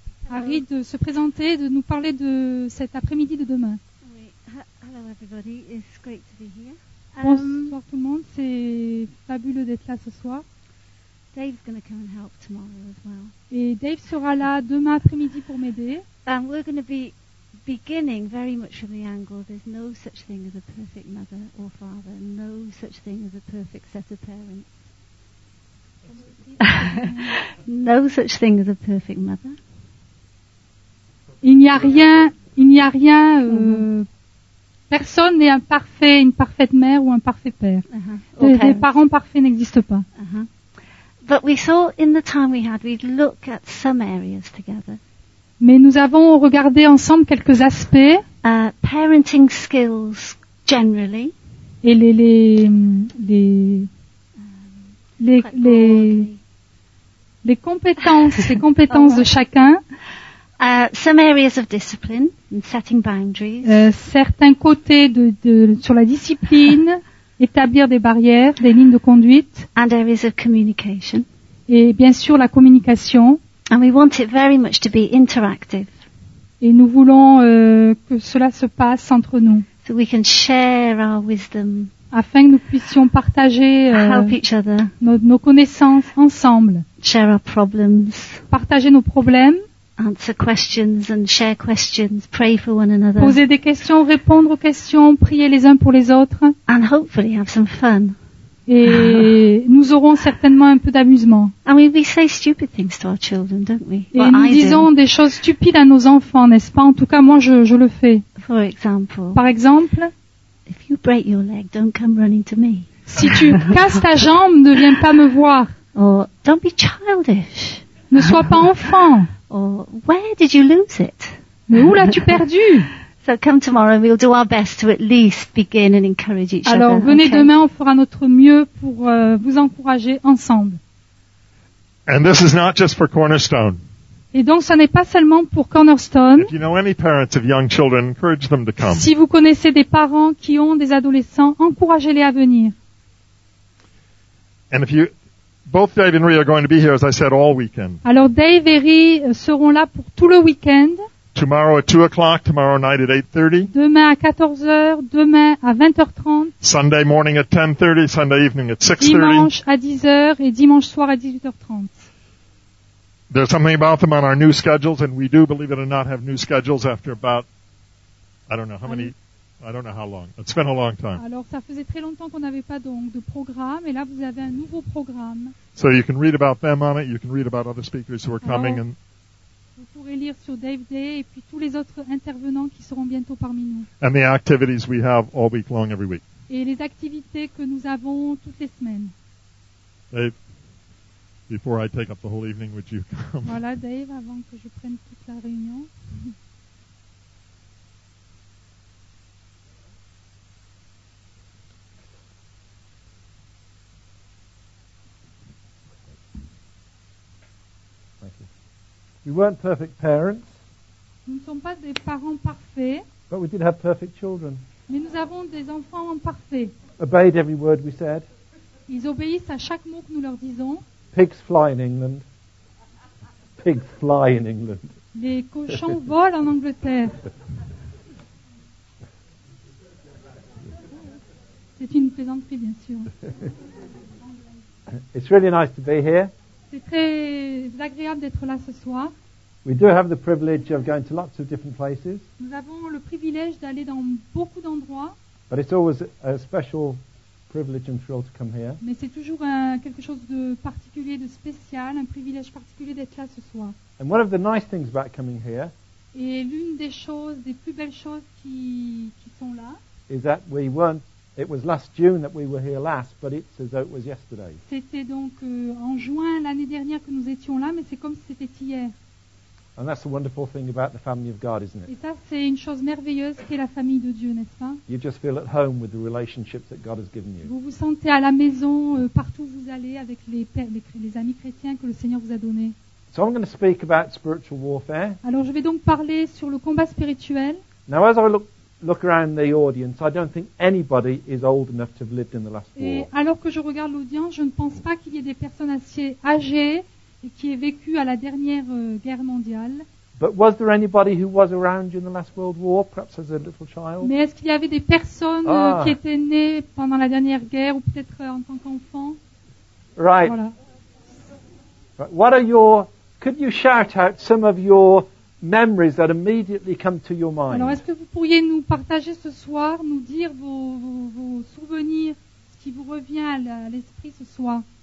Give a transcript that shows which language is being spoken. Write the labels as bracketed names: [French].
[French] Harry de se présenter, de nous parler de cet après-midi de demain. [English] Hello everybody, it's great to be here. [French] Bonsoir tout le monde, c'est fabuleux d'être là ce soir. [English] Dave's going to come and help tomorrow as well. [French] Et Dave sera là demain après-midi pour m'aider. [English] And we're going to be beginning very much from the angle there's no such thing as a perfect mother or father, no such thing as a perfect set of parents. No such thing as a perfect mother. [French] Il n'y a rien. Personne n'est un parfait, une parfaite mère ou un parfait père. Uh-huh. Des parents parfaits n'existent pas. Uh-huh. [English] But we saw in the time we had, we'd look at some areas together. [French] Mais nous avons regardé ensemble quelques aspects. [English] Parenting skills generally. [French] Et les compétences, les compétences de chacun. [English] Some areas of discipline and setting boundaries. [French] Certains côtés de sur la discipline, établir des barrières, des lignes de conduite. [English] And areas of communication. [French] Et bien sûr la communication. [English] And we want it very much to be interactive. [French] Et nous voulons que cela se passe entre nous. [English] So we can share our wisdom. [French] Afin que nous puissions partager nos connaissances ensemble. [English] Share our problems. [French] Partager nos problèmes. [English] Answer questions and share questions. Pray for one another. [French] Poser des questions, répondre aux questions, prier les uns pour les autres. [English] And hopefully have some fun. [French] Et nous aurons certainement un peu d'amusement. [English] And we say stupid things to our children, don't we? [French] Et nous disons des choses stupides à nos enfants, n'est-ce pas? En tout cas, moi, je le fais. [English] For example. [French] Par exemple. [English] If you break your leg, don't come running to me. [French] Si tu casses ta jambe, ne viens pas me voir. [English] Or, don't be childish. [French] Ne sois pas enfant. [English] Or, where did you lose it? [French] Mais où l'as-tu perdu? [English] So come tomorrow and we'll do our best to at least begin and encourage each other. [French] Alors, venez demain, on fera notre mieux pour vous encourager ensemble. [English] And this is not just for Cornerstone. [French] Et donc, ça n'est pas seulement pour Cornerstone. [English] If you know any parents of young children, encourage them to come. [French] Si vous connaissez des parents qui ont des adolescents, encouragez-les à venir. [English] And if you, both Dave and Rhi are going to be here, as I said, all weekend. [French] Alors, Dave et Rhi seront là pour tout le week-end. [English] Tomorrow at 2 o'clock. Tomorrow night at 8:30. [French] Demain à 14h. Demain à 20h30. [English] Sunday morning at 10:30. Sunday evening at 6:30. [French] Dimanche à 10h et dimanche soir à 18h30. [English] There's something about them on our new schedules, and we do, believe it or not, have new schedules after about, I don't know how long. It's been a long time. [French] Alors, ça faisait très longtemps qu'on n'avait pas donc de programme, et là, vous avez un nouveau programme. [English] So you can read about them on it, you can read about other speakers who are coming. [French] Alors, vous pourrez lire sur Dave Day, et puis tous les autres intervenants qui seront bientôt parmi nous. [English] And the activities we have all week long, every week. [French] Et les activités que nous avons toutes les semaines. [English] Dave. Before I take up the whole evening, would you come? [French] Voilà, Dave, avant que je prenne toute la réunion. [English] We weren't perfect parents. [French] Nous ne sommes pas des parents parfaits. [English] But we did have perfect children. [French] Mais nous avons des enfants parfaits. [English] Obeyed every word we said. [French] Ils obéissent à chaque mot que nous leur disons. [English] Pigs fly in England. Pigs fly in England. [French] Les cochons volent en Angleterre. C'est une plaisanterie, bien sûr. [English] It's really nice to be here. [French] C'est très agréable d'être là ce soir. [English] We do have the privilege of going to lots of different places. [French] Nous avons le privilège d'aller dans beaucoup d'endroits. [English] But it's always a special privilege and thrill to come here. [French] Mais c'est toujours quelque chose de particulier, de spécial, un privilège particulier d'être là ce soir. [English] And one of the nice things about coming here. [French] Et l'une des choses, des plus belles choses qui sont là. [English] Is that we weren't. It was last June that we were here last, but it's as though it was yesterday. [French] C'était donc en juin l'année dernière que nous étions là, mais c'est comme si c'était hier. [English] And that's the wonderful thing about the family of God, isn't it? [French] Et ça, c'est une chose merveilleuse qu'est la famille de Dieu, n'est-ce pas? [English] You just feel at home with the relationships that God has given you. [French] Vous vous sentez à la maison partout où vous allez avec les amis chrétiens que le Seigneur vous a donnés. [English] So I'm going to speak about spiritual warfare. [French] Alors je vais donc parler sur le combat spirituel. [English] Now as I look around the audience, I don't think anybody is old enough to have lived in the last war. [French] Et alors que je regarde l'audience, je ne pense pas qu'il y ait des personnes assez âgées. Et qui a vécu à la dernière guerre mondiale. [English] But was there anybody who was around you in the last World War, perhaps as a little child? [French] Mais est-ce qu'il y avait des personnes qui étaient nées pendant la dernière guerre ou peut-être en tant qu'enfant? [English] Right. Voilà. Right. What are your? Could you shout out some of your memories that immediately come to your mind? [French] Alors, est-ce que vous pourriez nous partager ce soir, nous dire vos souvenirs, ce qui vous revient à l'esprit ce soir?